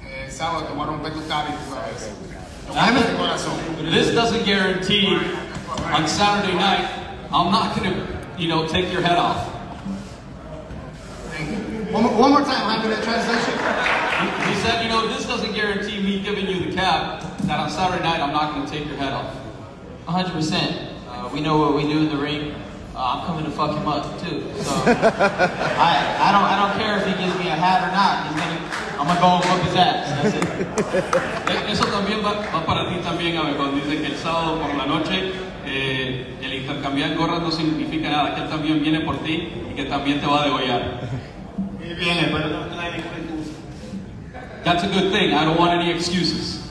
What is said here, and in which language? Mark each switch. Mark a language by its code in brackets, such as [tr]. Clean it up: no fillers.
[es] Sábado te voy a romper tu cara y tu cabeza. Dame tu corazón. [en] This doesn't guarantee on Saturday night I'm not gonna, you know, take your head off. One more time, I'm gonna translation. He said, you know, this doesn't guarantee me giving you the cap that on Saturday night I'm not going to take your head off. 100%. We know what we do in the ring. I'm coming to fuck him up, too. So I don't care if he gives me a hat or not. I'm going to go and fuck his ass. That's it. [es] Eso también va para ti también, Abejón. Dice que el sábado por la noche el intercambiar gorras no significa nada. Que él también viene por ti y que también te va a degollar. Muy bien, pero no trae ningún. [en] That's a good thing. I don't want any excuses.